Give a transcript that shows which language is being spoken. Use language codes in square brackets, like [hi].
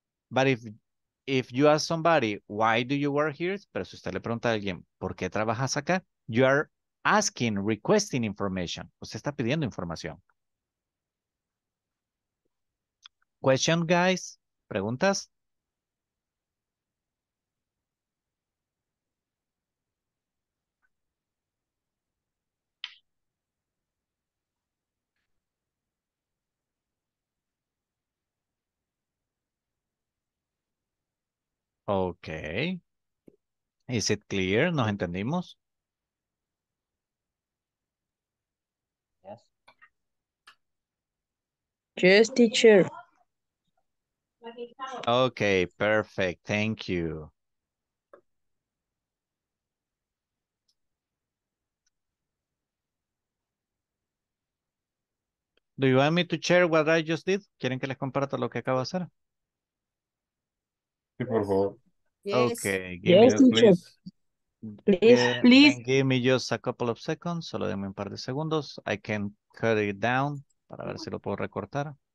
[en] But if you ask somebody, why do you work here? [es] Pero si usted le pregunta a alguien, ¿por qué trabajas acá? [en] You are asking, requesting information. [es] Usted está pidiendo información. [en] Question, guys? [es] ¿Preguntas? [en] Okay. Is it clear? [es] ¿Nos entendimos? [en] Yes. Yes, teacher. Okay, perfect. Thank you. Do you want me to share what I just did? [es] ¿Quieren que les comparta lo que acabo de hacer? Sí, por favor. [en] Yes. Okay, give yes, me please. Give me just a couple of seconds. [es] Solo denme un par de segundos. [en] I can cut it down [es] para ver si lo puedo recortar.